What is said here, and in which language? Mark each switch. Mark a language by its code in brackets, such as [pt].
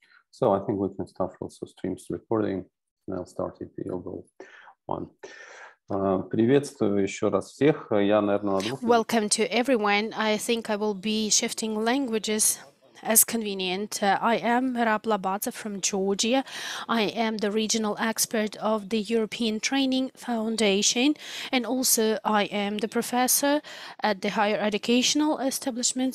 [en] So I think we can start also streams recording. Now started the overall one. [ru] Приветствую еще раз всех. Я, наверное, на двух... [en] Welcome to everyone. I think I will be shifting languages as convenient. I am Rab Labadze from Georgia. I am the regional expert of the European Training Foundation, and also I am the professor at the higher educational establishment.